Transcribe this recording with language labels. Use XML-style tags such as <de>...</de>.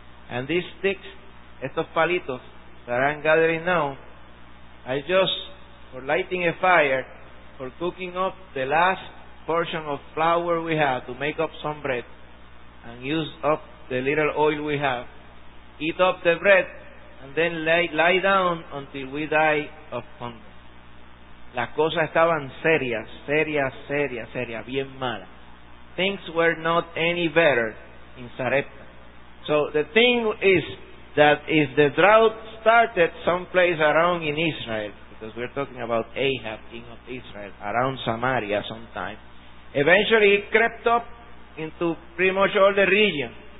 <en>And these sticks,</en> <es>estos palitos</es> <en>that I'm gathering now, I just, for lighting a fire, for cooking up the last portion of flour we have to make up some bread, and use up the little oil we have, eat up the bread, and then lie down until we die of hunger.</en> <es>Las cosas estaban serias, serias, serias, serias, bien malas.</es> <en>Things were not any better in Sarepta. So the thing is, that if the drought started someplace around in Israel, because we're talking about Ahab, king of Israel, around Samaria sometime, eventually it crept up into pretty much all the region.</en>